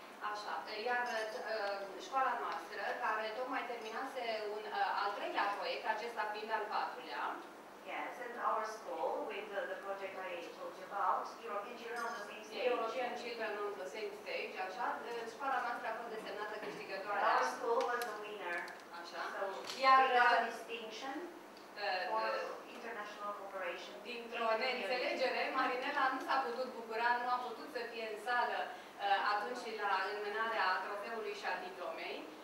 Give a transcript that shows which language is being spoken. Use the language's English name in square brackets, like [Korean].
[Romanian] Așa, iar școala noastră, care tocmai terminase un al treilea proiect, acesta fiind al patrulea. [English] Yes, and our school with the project I told you about, European Children on the Same Stage. European Children on the Same Stage, așa. [Romanian] Școala noastră a fost desemnată câștigătoare. [English] Our school was a winner. [Romanian] Așa. [English] So, iar, we got a distinction for international cooperation. [Romanian] Dintr-o neînțelegere, Marinela nu s-a putut bucura, nu a putut să fie în sală atunci la înmânarea trofeului și a diplomei.